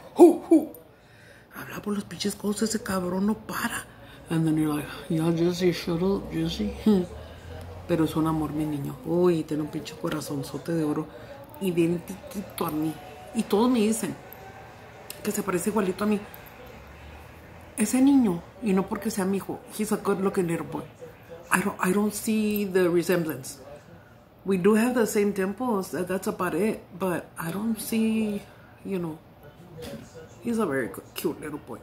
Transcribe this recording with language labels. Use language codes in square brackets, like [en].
[es] Habla por los pinches codos, ese cabrón no para. [en] And then you're like, yeah, Jesse, shut up, Jesse. [es] Pero es un amor, mi niño. Uy, tiene un pinche corazonzote de oro. Identiquito a mí. Y todos me dicen que se parece igualito a mí. ese niño, y no porque sea mi hijo, [en] he's a good looking little boy. I don't see the resemblance. We do have the same temples, that's about it, but I don't see, you know, he's a very cute little boy.